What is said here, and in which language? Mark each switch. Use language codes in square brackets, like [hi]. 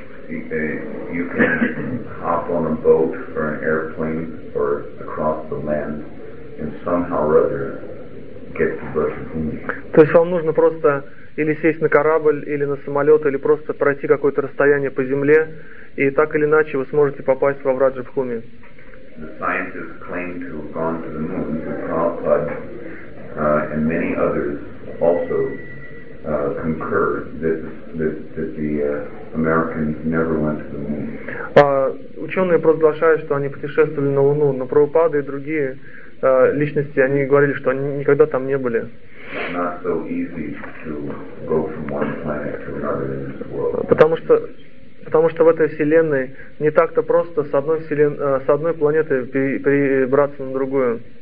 [en] You can hop on a boat or an airplane or across the land and somehow or other get to Braj Mandala. [ru] То есть вам нужно просто или сесть на корабль, или на самолет, или просто пройти какое-то расстояние по земле, и так или иначе вы сможете попасть во Враджа Бхуми. [en] The scientists claim to have gone to the moon, to Prabhupada, and many others also concur that the Americans never went to the moon. [ru] Ученые провозглашают, что они путешествовали на Луну, но Прабхупада и другие личности, они говорили, что они никогда там не были. [en] Not so easy to go from one planet to another in this world. [ru] Потому что в этой вселенной не так-то просто с одной планеты перебраться на другую.